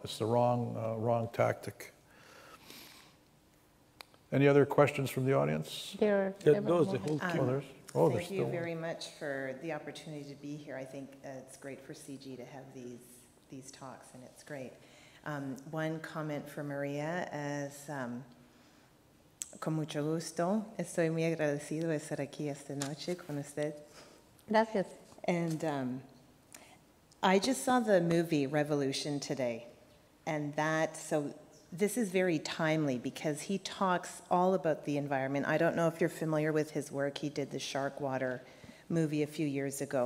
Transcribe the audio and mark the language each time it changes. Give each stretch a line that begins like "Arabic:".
English: It's the wrong tactic. Any other questions from the audience? Thank you very much for the opportunity to be here. I think it's great for CIGI to have these talks, and it's great. One comment for Maria is,
Spanish: con mucho gusto, estoy muy agradecido de estar aquí esta noche con usted. Gracias.
English: And I just saw the movie Revolution today, and this is very timely because he talks all about the environment. I don't know if you're familiar with his work. He did the Shark Water movie a few years ago.